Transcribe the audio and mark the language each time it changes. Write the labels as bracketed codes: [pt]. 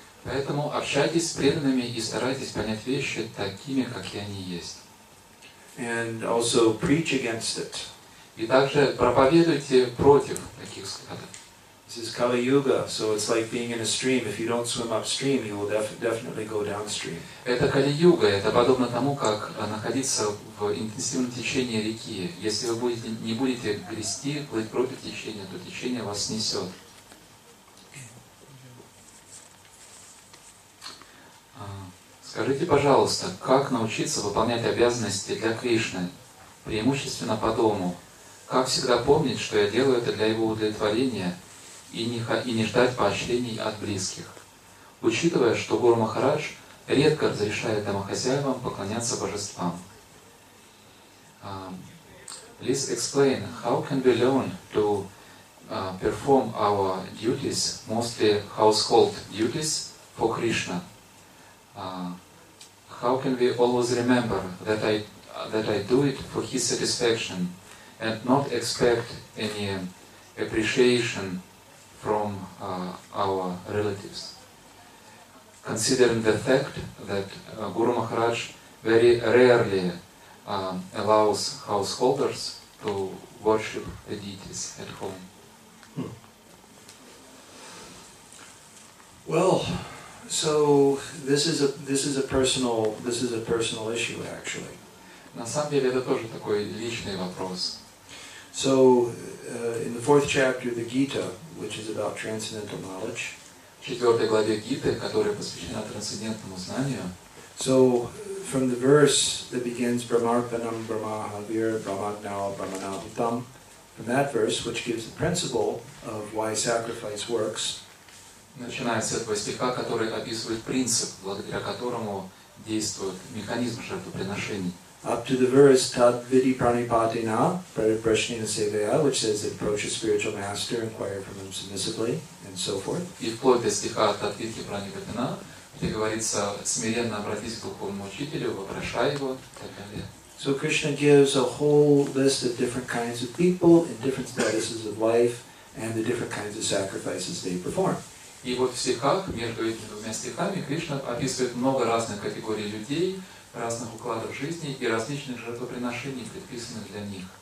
[ru] Поэтому общайтесь с преданными и старайтесь понять вещи такими, какие они есть. [en] And also preach against it. [ru] И также проповедуйте против таких взглядов. [en] This is Kali Yuga, so it's like being in a stream. If you don't swim upstream, you will definitely go downstream. [ru] Это Кали Юга. Это подобно тому, как находиться в интенсивном течении реки. Если вы не будете грести, плыть против течения, то течение вас несет. Скажите, пожалуйста, как научиться выполнять обязанности для Кришны, преимущественно по дому? Как всегда помнить, что я делаю это для его удовлетворения? И не ждать поощрений от близких, учитывая, что Гуру Махарадж редко разрешает домохозяевам поклоняться божествам. [en] Please explain, how can we learn to perform our duties, mostly household duties, for Krishna? How can we always remember that I do it for his satisfaction and not expect any appreciation from our relatives, considering the fact that Guru Maharaj very rarely allows householders to worship the deities at home. Well, so this is a personal issue actually. [ru] На самом деле это тоже такой личный вопрос. [en] So in the fourth chapter of the Gita, which is about transcendental knowledge. [ru] В четвёртой главе Гиты, которая посвящена трансцендентному знанию. [en] So from the verse that begins [sa] Brahmarpanam Brahmahavira Brahmagnao Brahmanabhutam, [en] from that verse, which gives the principle of why sacrifice works. [ru] Начинается с этого стиха, который описывает принцип, благодаря которому действует механизм жертвоприношений. [en] Up to the verse [sa] Tad Vidhi Pranipatena Prashnina Seveya, [en] which says that approach a spiritual master, inquire from him submissively, and so forth. [ru] И вплоть до стиха [sa] Тад Видхи Пранипатена, [ru] где говорится смиренно обратись к духовному учителю, вопрошай его, и так далее. [en] So Krishna gives a whole list of different kinds of people and different statuses of life and the different kinds of sacrifices they perform. [ru] И вот в стихах, между этими двумя стихами, Кришна описывает много разных категорий людей, разных укладов жизни и различных жертвоприношений, предписанных для них.